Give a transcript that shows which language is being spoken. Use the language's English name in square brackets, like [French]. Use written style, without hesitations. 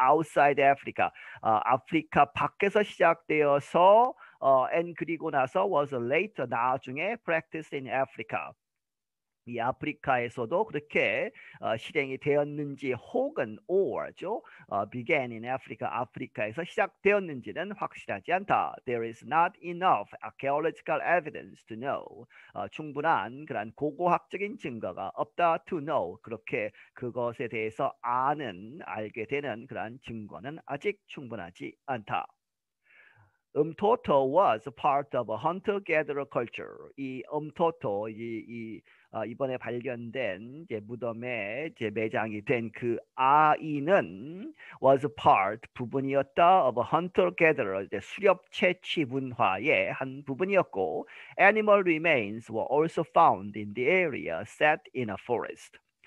[English] Outside Africa, [Korean] 아프리카 밖에서 시작되어서. [English] And [Korean] 그리고 나서 [English] was later [Korean] 나중에 [English] practiced in Africa. [Korean] 이 아프리카에서도 그렇게 실행이 되었는지 혹은 or죠. [English] Began in Africa, [Korean] 아프리카에서 시작되었는지는 확실하지 않다. [English] There is not enough archaeological evidence to know. [Korean] 충분한 그런 고고학적인 증거가 없다 [English] to know. [Korean] 그렇게 그것에 대해서 아는, 알게 되는 그런 증거는 아직 충분하지 않다. [English] Umtoto was part of a hunter-gatherer culture. 이 Umtoto, [Korean] 이번에 발견된 이제 무덤에 이제 매장이 된그 아이는 was part 부분이었다 of a hunter-gatherer 이제 수렵 채취 문화의 한 부분이었고, [English] animal remains were also found in the area set in a forest.